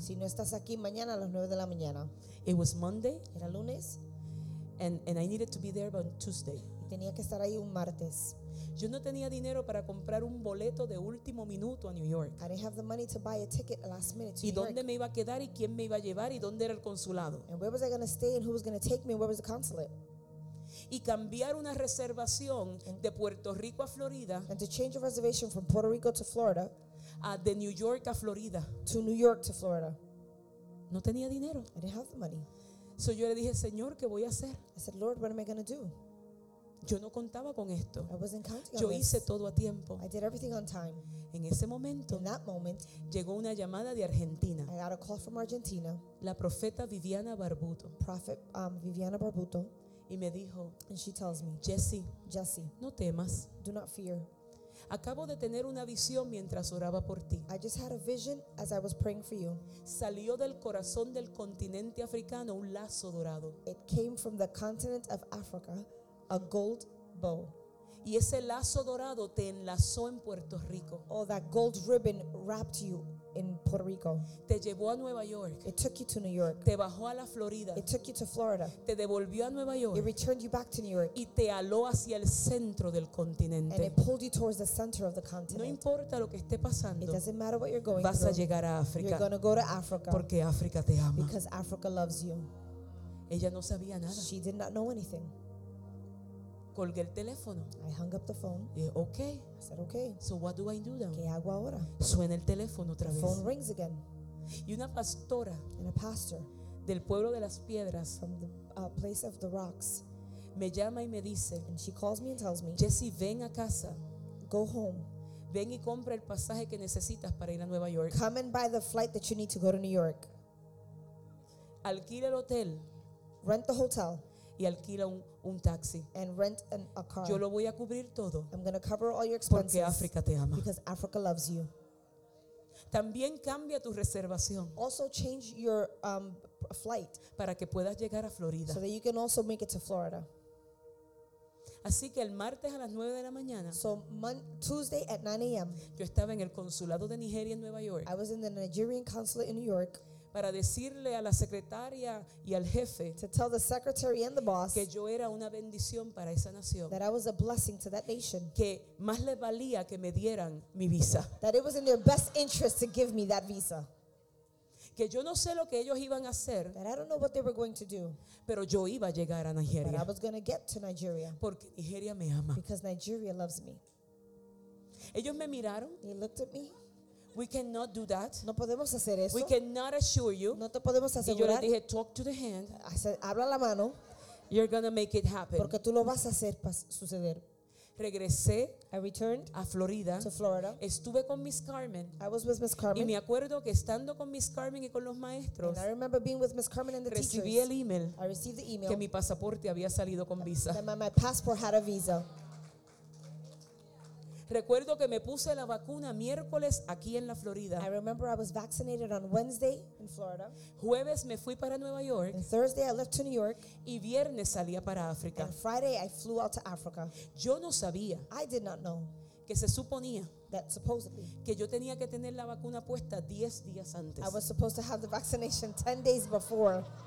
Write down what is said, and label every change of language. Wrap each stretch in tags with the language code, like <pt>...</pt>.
<es>Si no estás aquí mañana a las 9 de la mañana.</es> <en>It was Monday.</en> <es>Era lunes.</es> <en>And I needed to be there on Tuesday.</en> <es>Y tenía que estar ahí un martes. Yo no tenía dinero para comprar un boleto de último minuto a New York.</es> <en>I didn't have the money to buy a ticket last minute to New York.</en> <es>¿Y dónde me iba a quedar y quién me iba a llevar y dónde era el consulado?</es> <en>And where was I going to stay and who was going to take me and where was the consulate?</en> <es>Y cambiar una reservación de Puerto Rico a Florida,</es> <en>and to change a reservation from Puerto Rico to Florida,</en> <es>de New York a Florida,</es> <en>to New York to Florida.</en> <es>No tenía dinero.</es> <en>I didn't have the money.</en> <es>So yo le dije, Señor, ¿qué voy a hacer?</es> <en>I said, Lord, what am I going to do?</en> <es>Yo no contaba con esto.</es> <en>I wasn't counting on this.</en> <es>Yo hice</es> <en>this.</en> <es>Todo a tiempo.</es> <en>I did everything on time.</en> <es>En ese momento,</es> <en>in that moment,</en> <es>llegó una llamada de Argentina.</es> <en>I got a call from Argentina.</en> <es>La profeta Viviana Barbuto.</es> <en>Prophet Viviana Barbuto.</en> <es>Y me dijo,</es> <en>and she tells me,</en> <es>Jesse, no temas.</es> <en>Do not fear.</en> <es>Acabo de tener una visión mientras oraba por ti.</es> <en>I just had a vision as I was praying for you.</en> <es>Salió del corazón del continente africano un lazo dorado.</es> <en>It came from the continent of Africa, a gold bow.</en> <es>Y ese lazo dorado te enlazó en Puerto Rico.</es> <en>Oh, that gold ribbon wrapped you in Puerto Rico.</en> <es>Te llevó a Nueva York.</es> <en>It took you to New York.</en> <es>Te bajó a la Florida.</es> <en>It took you to Florida.</en> <es>Te devolvió a Nueva York.</es> <en>It returned you back to New York.</en> <es>Y te aló hacia el centro del continente.</es> <en>And it pulled you towards the center of the continent.</en> <es>No importa lo que esté pasando.</es> <en>It doesn't matter what you're going</en> <es>vas</es> <en>through.</en> <es>A llegar a África.</es> <en>You're going to go to Africa.</en> <es>Porque África te ama.</es> <en>Because Africa loves you.</en> <es>Ella no sabía nada.</es> <en>She did not know anything.</en> <es>Colgué el teléfono.</es> <en>I hung up the phone. Yeah, okay. I said, okay. So what do I do now?</en> <es>¿Qué hago ahora? Suena el teléfono otra</es> <en>the</en> <es>vez.</es> <en>Phone rings again.</en> <es>Y una pastora.</es> <en>And a pastor.</en> <es>del pueblo de las piedras,</es> <en>from the place of the rocks,</en> <es>me llama y me dice,</es> <en>and she calls me and tells me,</en> <es>Jesse, ven a casa,</es> <en>go home,</en> <es>ven y compra el pasaje que necesitas para ir a Nueva York,</es> <en>come and buy the flight that you need to go to New York,</en> <es>alquila el hotel,</es> <en>rent the hotel,</en> <es>y alquila un taxi,</es> <en>and rent a car.</en> <es>Yo lo voy a cubrir todo,</es> <en>I'm going to cover all your expenses,</en> <es>porque África te ama,</es> <en>because Africa loves you.</en> <es>También cambia tu reservación.</es> <en>Also change your flight.</en> <es>Para que puedas llegar a Florida.</es> <en>So that you can also make it to Florida.</en> <es>Así que el martes a las 9 de la mañana.</es> <en>So Tuesday at 9 a.m.</en> <es>Yo estaba en el consulado de Nigeria en Nueva York.</es> <en>I was in the Nigerian consulate in New York.</en> <es>Para decirle a la secretaria y al jefe.</es> <en>To tell the secretary and the boss.</en> <es>Que yo era una bendición para esa nación.</es> <en>That I was a blessing to that nation.</en> <es>Que más le valía que me dieran mi visa.</es> <en>That it was in their best interest to give me that visa.</en> <es>Que yo no sé lo que ellos iban a hacer.</es> <en>That I don't know what they were going to do.</en> <es>Pero yo iba a llegar a Nigeria.</es> <en>But I was going to get to Nigeria.</en> <es>Porque Nigeria me ama.</es> <en>Because Nigeria loves me.</en> <es>Ellos me miraron.</es> <en>They looked at me. We cannot do that.</en> <es>No podemos hacer eso.</es> <en>We cannot assure you.</en> <es>No te podemos asegurar. Y yo le dije,</es> <en>talk to the hand. I said, habla la mano. You're going to make it happen.</en> <es>Porque tú lo vas a hacer suceder. Regresé.</es> <en>I returned</en> <es>a Florida.</es> <en>To Florida.</en> <es>Estuve con Miss Carmen.</es> <en>I was with Miss Carmen.</en> <es>Y me acuerdo que estando con Miss Carmen y con los maestros.</es> <en>And I remember being with Miss Carmen and the</en> <es>recibí</es> <en>teachers.</en> <es>Recibí el email.</es> <en>I received the email.</en> <es>Que mi pasaporte había salido con visa.</es> <en>That my passport had a visa.</en> <es>Recuerdo que me puse la vacuna miércoles aquí en la Florida.</es> <en>I remember I was vaccinated on Wednesday in Florida.</en> <es>Jueves me fui para Nueva York.</es> <en>And Thursday I left to New York.</en> <es>Y viernes salía para África.</es> <en>And Friday I flew out to Africa.</en> <es>Yo no sabía.</es> <en>I did not know.</en> <es>Que se suponía.</es> <en>That supposedly.</en> <es>Que yo tenía que tener la vacuna puesta 10 días antes.</es> <en>I was supposed to have the vaccination 10 days before.</en>